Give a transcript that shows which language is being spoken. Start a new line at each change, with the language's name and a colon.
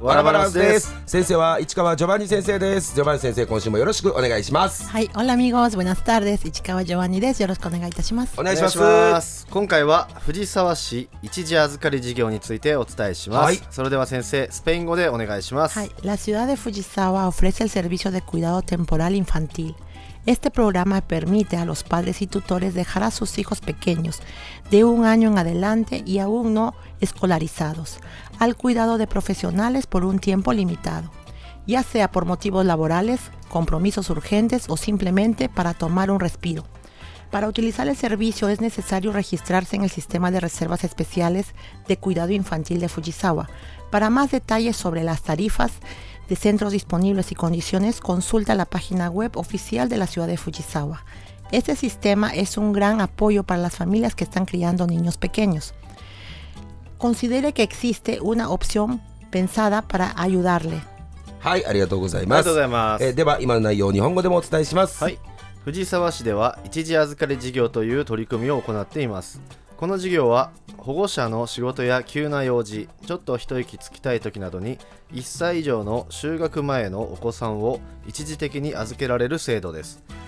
Japanese: ワラバランスです。先生は市川ジョバンニ先生です。ジョバンニ先生、今週もよろしくお願いします。はい、オラミゴーズブナスタールです。市川ジョバンニです。よろしくお願いいたします。お願いしま す。今回は藤沢市一時預かり事業についてお伝えします。はい、それでは先生、スペイン語でお願いします。
Spanish: はい、La ciudad de Fujisawa ofrece el servicio de cuidado temporal infantilEste programa permite a los padres y tutores dejar a sus hijos pequeños de un año en adelante y aún no escolarizados al cuidado de profesionales por un tiempo limitado, ya sea por motivos laborales, compromisos urgentes o simplemente para tomar un respiro. Para utilizar el servicio es necesario registrarse en el sistema de reservas especiales de cuidado infantil de Fujisawa. Para más detalles sobre las tarifas,de centros disponibles y condiciones, consulta la página web oficial de la ciudad de Fujisawa. Este sistema es un gran apoyo para las familias que están criando niños pequeños. Considere que existe una opción pensada para ayudarle.
Japanese: はい、ありがとうございます。ありがとうございます。では今の内容を日本語でもお伝えします。はい、藤沢市では一時預かり事業という取り組みを行っています。この事業は保護者の仕事や急な用事、ちょっと一息つきたい時などに1歳以上の就学前のお子さんを一時的に預けられる制度です。